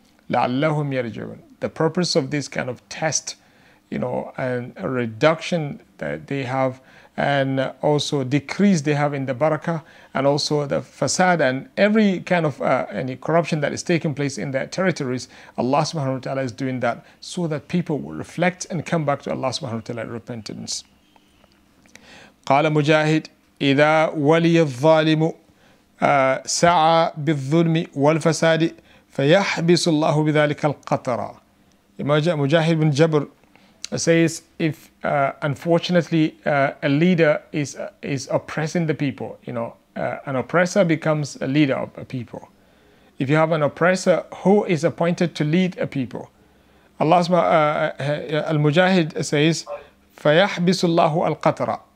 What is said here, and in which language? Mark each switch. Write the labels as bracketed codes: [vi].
[ar] لَعَلَّهُمْ يَرْجِعُونَ [en] The purpose of this kind of test, you know, and a reduction that they have and also decrease they have in the barakah and also the facade and every kind of any corruption that is taking place in their territories, Allah subhanahu wa ta'ala is doing that so that people will reflect and come back to Allah subhanahu wa ta'ala in repentance. [ar] قال مجاهد إذا ولي الظالم سعى بالظلم والفساد فيحبس الله بذلك القطرة. [en] Mujahid bin Jabr says, if unfortunately a leader is oppressing the people, you know, an oppressor becomes a leader of a people. If you have an oppressor who is appointed to lead a people, Al-Mujahid says, [ar] فيحبس الله القطرة.